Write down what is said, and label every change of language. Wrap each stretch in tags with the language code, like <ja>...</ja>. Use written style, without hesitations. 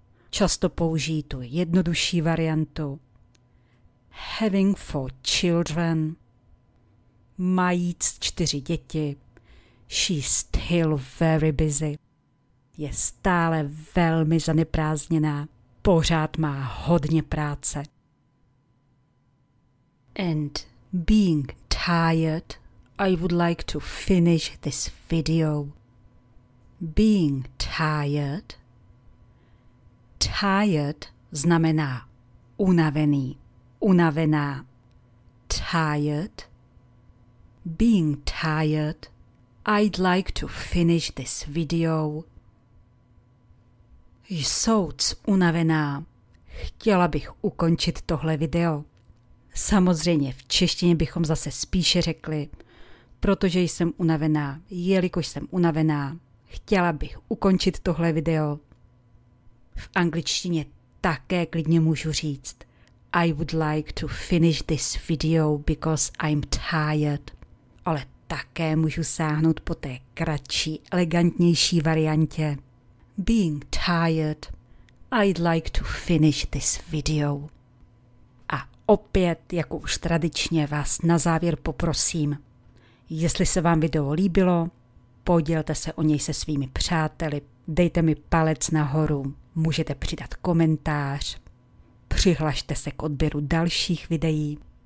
<cs>Často použijí tu jednodušší variantu.</cs> <en>Having 4 children.</en> <cs>Majíc 4 děti.</cs> <en>She's still very busy.</en> <cs>Je stále velmi zaneprázdněná. Pořád má hodně práce.</cs> <en>And being tired, I would like to finish this video. Being tired.</en> <cs>Tired znamená unavený, unavená.</cs> <en>Tired. Being tired, I'd like to finish this video.</en> <cs>Jsouc unavená, chtěla bych ukončit tohle video. Samozřejmě v češtině bychom zase spíše řekli, protože jsem unavená, jelikož jsem unavená, chtěla bych ukončit tohle video. V angličtině také klidně můžu říct</cs> <en>I would like to finish this video because I'm tired.</en> <cs>Ale také můžu sáhnout po té kratší, elegantnější variantě.</cs> <en>Being tired, I'd like to finish this video.</en> <cs>A opět, jako už tradičně, vás na závěr poprosím. Jestli se vám video líbilo, podělte se o něj se svými přáteli, dejte mi palec nahoru, můžete přidat komentář, přihlašte se k odběru dalších videí.</cs>